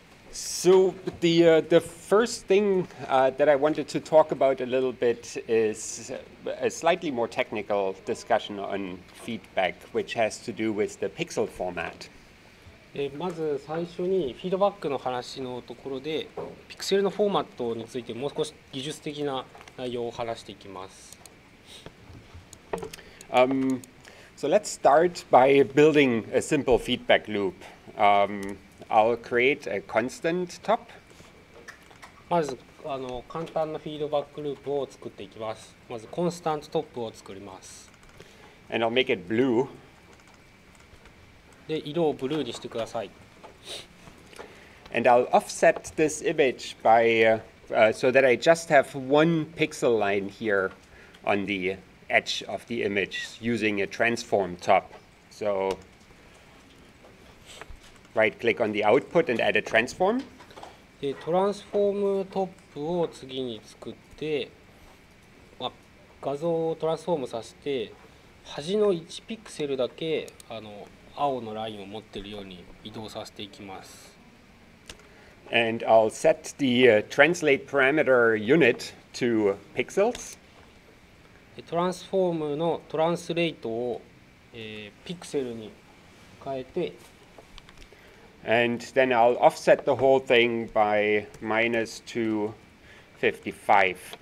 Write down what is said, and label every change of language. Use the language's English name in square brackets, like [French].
[English] So the first thing that I wanted to talk about a little bit is a slightly more technical discussion on feedback, which has to do with the pixel format. [Japanese] まず最初にフィードバックの話のところでピクセルのフォーマットについてもう少し技術的な内容を話していきます。 [English] So let's start by building a simple feedback loop. I'll create a constant top. [Japanese] まず簡単なフィードバックループを作っていきます。まずコンスタントトップを作ります。 [English] And I'll make it blue. [Japanese] で色をブルーにしてください。 [English] And I'll offset this image by so that I just have one pixel line here on the edge of the image using a transform top. So right click on the output and add a transform. [Japanese] で、トランスフォームトップを次に作って、まあ、画像をトランスフォームさせて端の1ピクセルだけ青のラインを持っているように移動させていきます。 [English] And I'll set the translate parameter unit to pixels. [Japanese] トランスフォームのトランスレートを、ピクセルに変えて。 [English] And then I'll offset the whole thing by -255.